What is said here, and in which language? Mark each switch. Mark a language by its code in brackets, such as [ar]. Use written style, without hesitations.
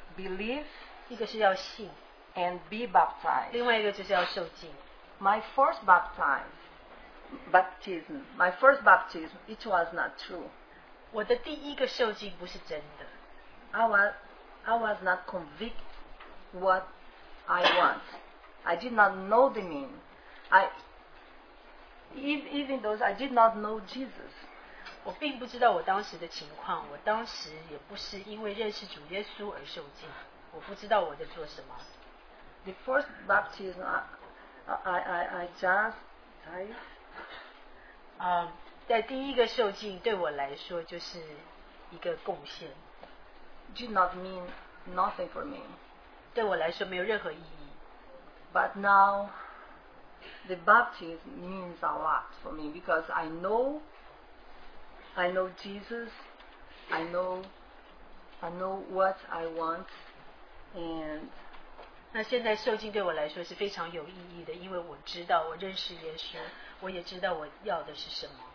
[en] believe， [zh] 一个是要信； [en] and be baptized， [zh] 另外一个就是要受浸。 [en] My first baptism, it was not true. [zh] 我的第一个受浸不是真的。 [en] I was not convicted what I want. I did not know the meaning. Even though I did not know Jesus. [zh] 我并不知道我当时的情况，我当时也不是因为认识主耶稣而受浸，我不知道我在做什么。 [en] The first baptism, I just, [zh] 在第一个受浸对我来说就是一个贡献。 [en] Did not mean nothing for me. [zh] 对我来说没有任何意义。 [en] But now, the baptism means a lot for me because I know Jesus, I know what I want, and [zh] 那现在受浸对我来说是非常有意义的，因为我知道我认识耶稣，我也知道我要的是什么。